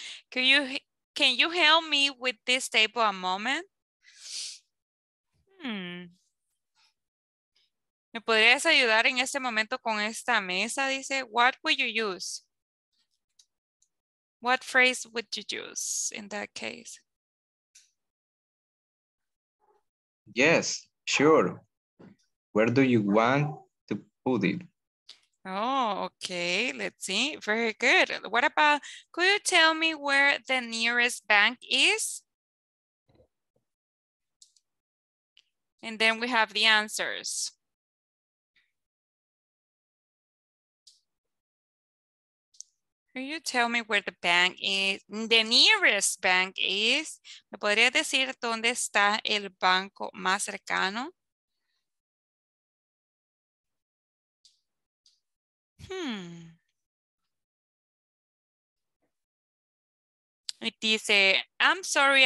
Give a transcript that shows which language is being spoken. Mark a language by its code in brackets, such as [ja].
[en] Can you help me with this table a moment? [es] ¿Me podrías ayudar en este momento con esta mesa? [en] Dice, what would you use? What phrase would you use in that case? Yes, sure. Where do you want to put it? Let's see. Very good. What about, could you tell me where the nearest bank is? And then we have the answers. Can you tell me where the bank is? The nearest bank is. [es] ¿Me podría decir dónde está el banco más cercano? [en] It dice, I'm sorry,